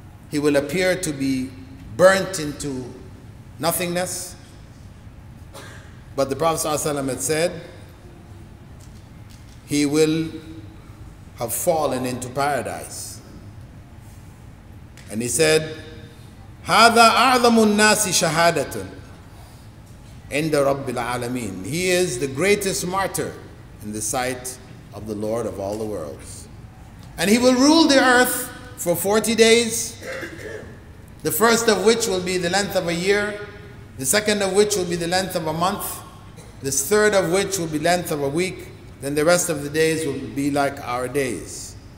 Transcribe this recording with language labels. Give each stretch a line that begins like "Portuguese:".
English: He will appear to be burnt into nothingness. But the Prophet ﷺ had said, he will have fallen into paradise. And he said,
Arabic: هَذَا أَعْظَمُ النَّاسِ شَهَادَةٌ عِنْدَ رَبِّ الْعَالَمِينَ.
English: He is the greatest martyr in the sight of the Lord of all the worlds. And he will rule the earth for 40 days, the first of which will be the length of a year, the second of which will be the length of a month, the third of which will be length of a week, then the rest of the days will be like our days.